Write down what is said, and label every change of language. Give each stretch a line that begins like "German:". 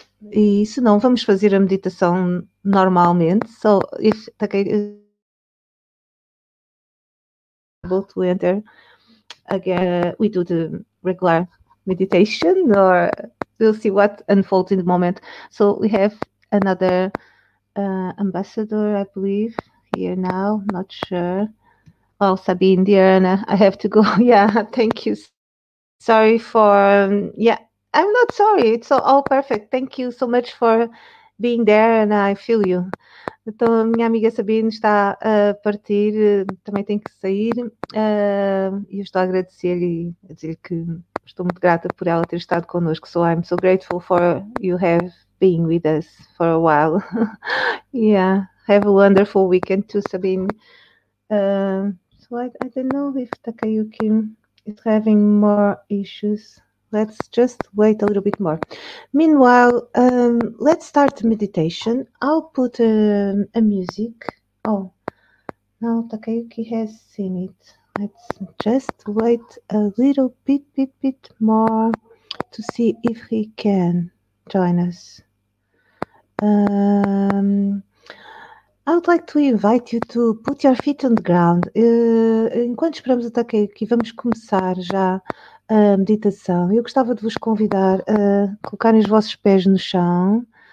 Portuguese: E se não, vamos fazer a meditação normalmente.
English: So if Takayuki able to enter again, we do the regular meditation, or we'll see what unfolds in the moment. So we have another ambassador, I believe, here now. Not sure. Oh, Sabine, Diana, I have to go. Thank you. Sorry for. I'm not sorry. It's all perfect. Thank you so much for being there, and I feel you. Então, a minha amiga Sabine está a partir, também tem que sair, e eu estou a agradecer-lhe, a dizer que estou muito grata por ela ter estado connosco. So I'm so grateful for you have been with us for a while. Have a wonderful weekend too, Sabine. So I don't know if Takayuki is having more issues. Let's just wait a little bit more. Meanwhile, let's start the meditation. I'll put a music. Oh, now Takayuki has seen it. Let's just wait a little bit more to see if he can join us. I would like to invite you to put your feet on the ground.
Portuguese: Enquanto esperamos até que aqui, vamos começar já a meditação. Eu gostava de vos convidar a colocarem os vossos pés no chão.